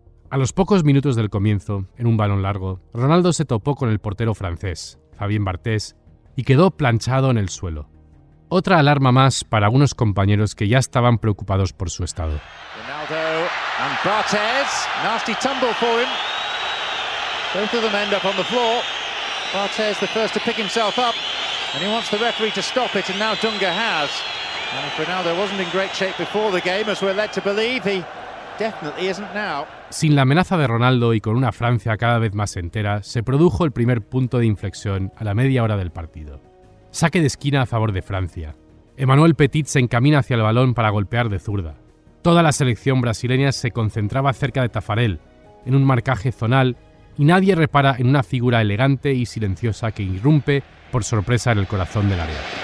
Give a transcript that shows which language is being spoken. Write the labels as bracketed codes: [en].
[es] A los pocos minutos del comienzo, en un balón largo, Ronaldo se topó con el portero francés, Fabien Barthez, y quedó planchado en el suelo. Otra alarma más para unos compañeros que ya estaban preocupados por su estado. [en] Ronaldo and Barthez, nasty tumble for him. Both of them end up on the floor. Barthez the first to pick himself up, and he wants the referee to stop it, and now Dunga has. And if Ronaldo wasn't in great shape before the game, as we're led to believe, he definitely isn't now. [es] Sin la amenaza de Ronaldo y con una Francia cada vez más entera, se produjo el primer punto de inflexión a la media hora del partido. Saque de esquina a favor de Francia. Emmanuel Petit se encamina hacia el balón para golpear de zurda. Toda la selección brasileña se concentraba cerca de Tafarel, en un marcaje zonal, y nadie repara en una figura elegante y silenciosa que irrumpe por sorpresa en el corazón del área.